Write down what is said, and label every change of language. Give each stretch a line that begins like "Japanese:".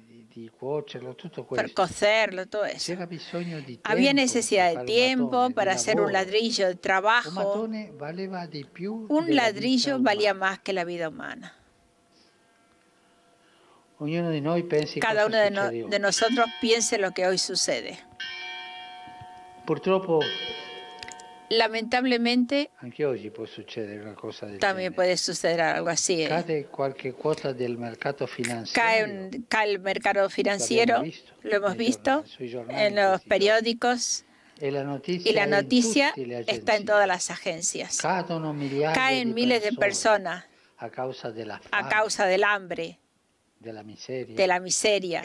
Italian: vestiti, cuocerlo, tutto questo. Per cocerlo, tutto questo. C'era bisogno di tempo.
Spanish: Había necesidad de tiempo para hacer un ladrillo de trabajo.
Italian: Un mattone valeva di più.
Spanish: Un ladrillo valía más que la vida humana.
Italian: Ognuno di noi pensi cosa.
Spanish: Cada uno de nosotros piense lo que hoy sucede.
Italian: Purtroppo.
Spanish: Lamentablemente,
Italian: anche oggi può succedere una cosa del
Spanish: también
Italian: genere.
Spanish: Puede suceder algo así.
Italian: Cade qualche quota del mercato
Spanish: financiero, cae el mercado financiero, lo hemos visto en los periódicos,
Italian: e la notizia
Spanish: y la noticia está en todas las agencias.
Italian: Cadono miliardi
Spanish: caen miles de personas
Italian: a causa, della fame,
Spanish: a causa del hambre, de la miseria,